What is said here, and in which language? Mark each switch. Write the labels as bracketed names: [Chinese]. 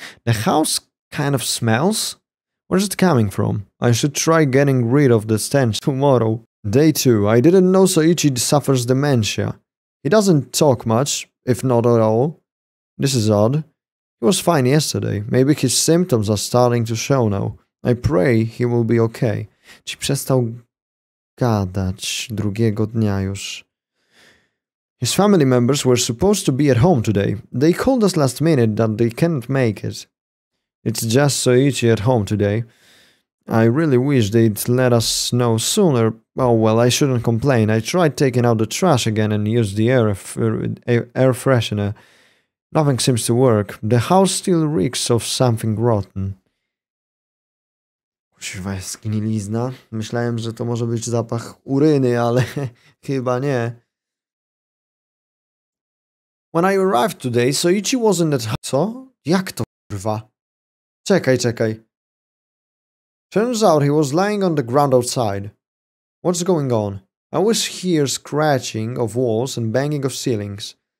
[English] The house kind of smells. Where's it coming from? I should try getting rid of the stench tomorrow. Day two, I didn't know Soichi suffers dementia. He doesn't talk much, if not at all. This is odd. He was fine yesterday. Maybe his symptoms are starting to show now. I pray he will be okay. [Polish] Czy przestał gadać drugiego dnia już? [English] His family members were supposed to be at home today. They called us last minute that they can't make it. It's just Soichi at home today. I really wish they'd let us know sooner. Oh well, I shouldn't complain. I tried taking out the trash again and used the air freshener. Nothing seems to work. The house still reeks of something rotten. [Polish] Kurwa, jest gnilizna. Myślałem, że to może być zapach uryny, ale chyba nie. [English] When I arrived today, Soichi wasn't at home. [Polish] Co? Jak to kurwa? Czekaj, czekaj. [English] Turns out he was lying on the ground outside. What's going on? I always hear scratching of walls and banging of ceilings.